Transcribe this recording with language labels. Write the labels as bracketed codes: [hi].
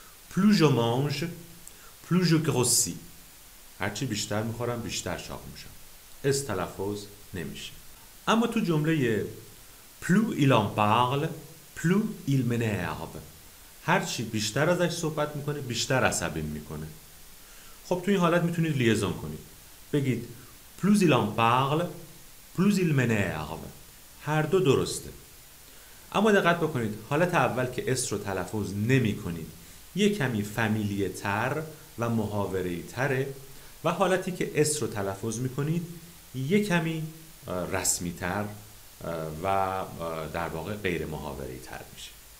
[fa] پلو ژو مانژ پلو ژو گروسی. هرچی بیشتر میخورم بیشتر شاق میشم. اس تلفظ نمیشه. اما تو جمله پلو ایل ان پارل پلو ایل منرو، هرچی بیشتر ازش صحبت میکنه بیشتر عصبی میکنه. خب تو این حالت میتونید لیزون کنید، بگید پ [fr] Plus il en parle, plus il m'énerve. [fa] هر دو درسته. اما دقت بکنید، حالت اول که اس رو تلفظ نمی کنید یه کمی فامیلیه تر و محاوره‌ای تره و حالتی که اس رو تلفظ می کنید یه کمی رسمی تر و در واقع غیر محاوره‌ای تر میشه.